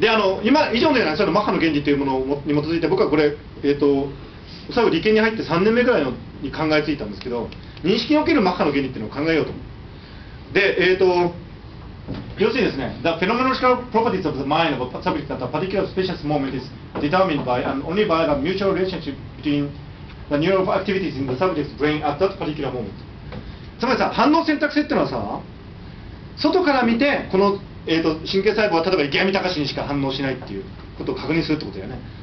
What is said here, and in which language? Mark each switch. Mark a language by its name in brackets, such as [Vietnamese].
[Japanese] で、今以上のようなそのマッハの原理というものに基づいて、僕はこれ、最後理研に入って3年目ぐらいのに考えついたんですけど、認識におけるマッハの原理というのを考えようと思う。で、要するにですね、 [English] The phenomenological properties of the mind of a subject at a particular spacious moment is determined by and only by the mutual relationship between the neural activities in the subject's brain at that particular moment。 [Japanese] つまりさ、反応選択性というのはさ、外から見てこの、神経細胞は例えば池上隆にしか反応しないっていうことを確認するってことだよね。